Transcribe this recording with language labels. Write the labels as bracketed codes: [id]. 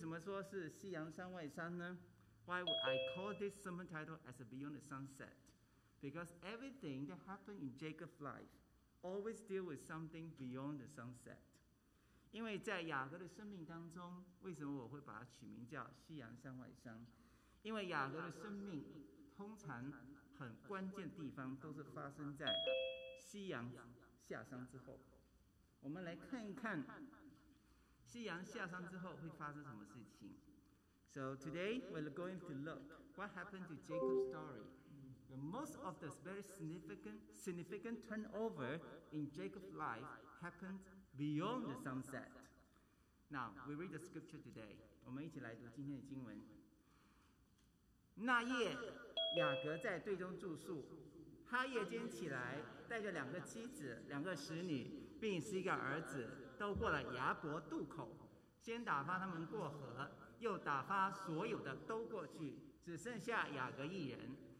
[zh] 我们今天来学习一个人的故事，那就是雅各的故事。为什么说是夕阳山外山呢？ [en] Why would I call this sermon title as a Beyond the Sunset? Because everything that happened in Jacob's life always deal with something beyond the sunset. [zh] 因为在雅各的生命当中，为什么我会把它取名叫夕阳山外山？因为雅各的生命 通常很关键的地方都是发生在夕阳下山之后。我们来看一看夕阳下山之后会发生什么事情。 [en] So today we're going to look what happened to Jacob's story. Most of the very significant turnover in Jacob's life happened beyond the sunset. Now we read the scripture today. [zh] 我们一起来读今天的经文。那夜 雅各在队中住宿，他夜间起来，带着两个妻子、两个使女，并十一个儿子，都过了雅伯渡口，先打发他们过河，又打发所有的都过去，只剩下雅各一人。